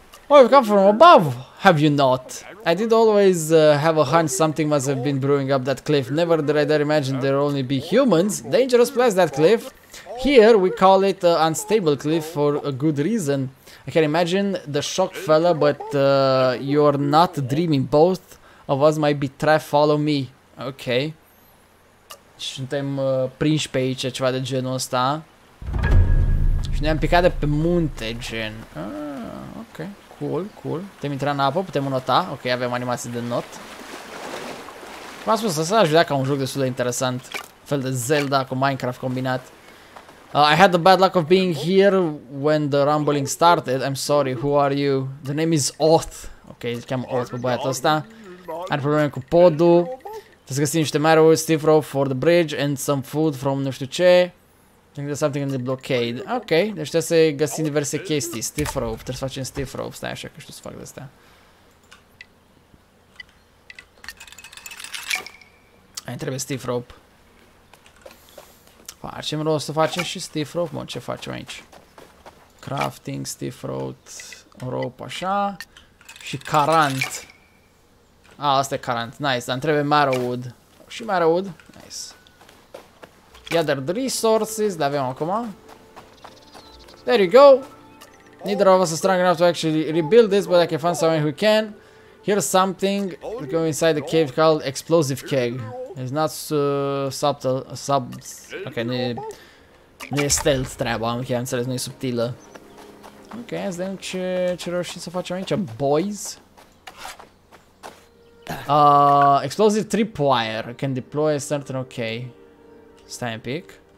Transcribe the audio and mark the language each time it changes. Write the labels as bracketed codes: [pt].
[en] Oh, you come from above, have you not? I did always have a hunch something must have been brewing up that cliff. Never did I dare imagine there only be humans. Dangerous place, that cliff. Here, we call it an unstable cliff for a good reason. I can imagine the shock, fella, but you're not dreaming. Both of us might be trapped, follow me. Okay. [ro] Suntem prinși pe aici, ceva de genul ăsta. Și ne-am picat de pe munte, gen. Ah, ok. Cool, cool. Putem intra în apă, putem înota. Ok, avem animații de not. V-am spus, asta aș vedea ca un joc destul de interesant. Fel de Zelda cu Minecraft combinat. [en] I had the bad luck of being here when the rumbling started. I'm sorry, who are you? The name is Oth. [ro] Ok, îl cheamă Oth pe băiatul ăsta. Are probleme cu podul. Trebuie să găsim niște marrow, [en] stiff rope for the bridge and some food from [ro] nu știu ce. [en] There's something in the blockade. [ro] Ok, deci trebuie să găsim diverse chestii. Stiff rope, trebuie să facem stiff rope. Stai așa că știu să fac de astea. Ai, trebuie stiff rope. Facem rost să facem și stiff rope. Mă, ce facem aici? Crafting, stiff rope, rope așa. Și carant. A, asta e carant. Nice, dar trebuie marrow wood. Și marrow wood. Nice. [en] Gather the resources, [ro] le avem acum. [en] There you go. Neither of us are strong enough to actually rebuild this, but I can find someone who can. Here's something. Let's go inside the cave called Explosive Keg. It's not subtle, okay, [ro] nu e stealth treaba, am chiar înțeles, nu e subtilă. Ok, hai să vedem ce reușim să facem aici, boys. [en] Explosive tripwire, can deploy a certain, ok. [ro] Stai un pic.